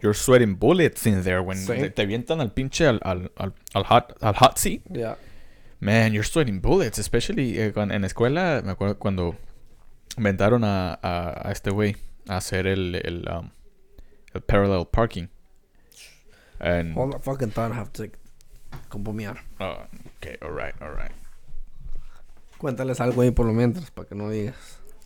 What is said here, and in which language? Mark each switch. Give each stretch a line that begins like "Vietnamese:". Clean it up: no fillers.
English: You're sweating bullets in there when
Spanish: te avientan al pinche al
English: hot seat. Yeah. Man, you're sweating bullets, especially
Spanish: en escuela. Me acuerdo cuando inventaron a este güey a hacer el parallel parking.
English: And hold the fucking thought, I have to compomear. Okay, all right.
Spanish: Cuéntales algo ahí por lo mientras para que no digas.